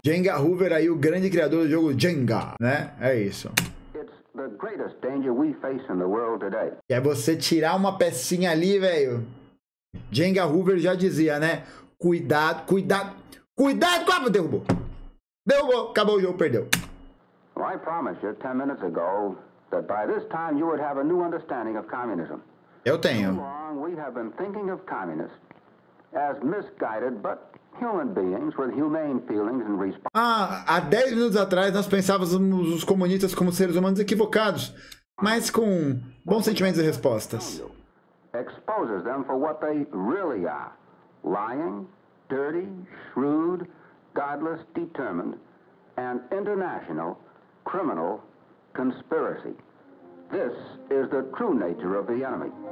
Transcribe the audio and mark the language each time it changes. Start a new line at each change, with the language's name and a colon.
Portuguese: Jenga Hoover aí, o grande criador do jogo Jenga, né? É isso.
English: It's the greatest danger we face in the world today.
Portuguese: É você tirar uma pecinha ali, velho. Jenga Hoover já dizia, né? Cuidado com a... Derrubou. Acabou o jogo, perdeu.
English: Well, I promised you 10 minutes ago that by this time you would have a new understanding of communism.
Portuguese: Eu tenho.
English: Too long we have been thinking of communists as misguided but human beings with humane feelings and response.
Portuguese: Ah, há 10 minutos atrás nós pensávamos os comunistas como seres humanos equivocados, mas com bons sentimentos e respostas.
English: Exposes them for what they really are: lying, dirty, shrewd, godless, determined, and international criminal conspiracy. This is the true nature of the enemy.